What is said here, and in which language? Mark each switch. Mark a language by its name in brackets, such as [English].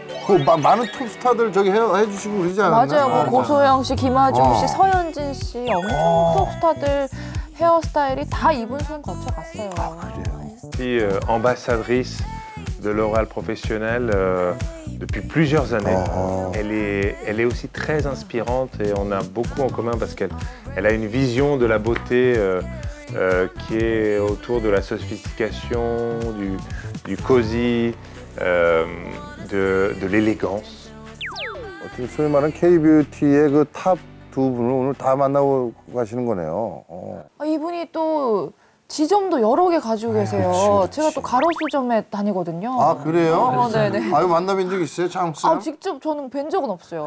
[Korean] 그 많은 톱스타들 저기 해주시고 그러지 않나요? 맞아요. 뭐 고소영 씨, 김아중 씨, 서현진 씨 엄청 톱스타들 헤어스타일이 다 이분 손 거쳐갔어요. 아, 그래요? [French] 이 ambassadrice de l'oral professionnel depuis plusieurs années. Elle est aussi très inspirante et on a beaucoup en commun parce qu'elle a une vision de la beauté qui est autour de la sophistication, du cosy, de l'élégance. [Korean] 어떻게 소위 말하는 K-뷰티의 그 탑 두 분을 오늘 다 만나고 가시는 거네요. 아, 이분이 또 지점도 여러 개 가지고 계세요. 그치. 제가 또 가로수점에 다니거든요. 아, 그래요? 어, 네네. 아유, 만나뵌 적 있어요? 창욱 씨? 아, 직접 저는 뵌 적은 없어요.